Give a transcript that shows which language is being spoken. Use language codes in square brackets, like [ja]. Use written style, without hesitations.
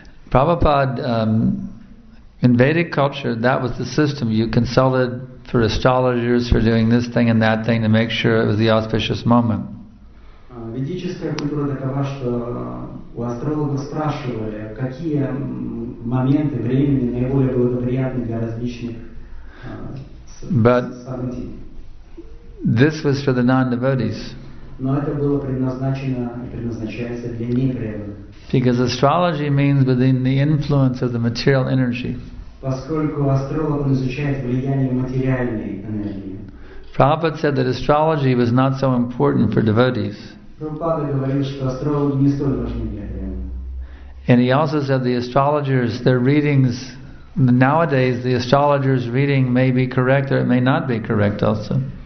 [en] Prabhupada, in Vedic culture, that was the system. You consulted for astrologers for doing this thing and that thing to make sure it was the auspicious moment. [ru] Ведическая культура такова, что у астрологов спрашивали, какие моменты времени наиболее благоприятны для различных событий. [en] This was for the non-devotees. [ru] Но это было предназначено и предназначается для непреданных. [en] Because astrology means within the influence of the material energy. [ru] Поскольку астролог изучает влияние материальной энергии. [en] Prabhupada said that astrology was not so important for devotees. And he also said the astrologers, their readings, nowadays the astrologer's reading may be correct or it may not be correct also.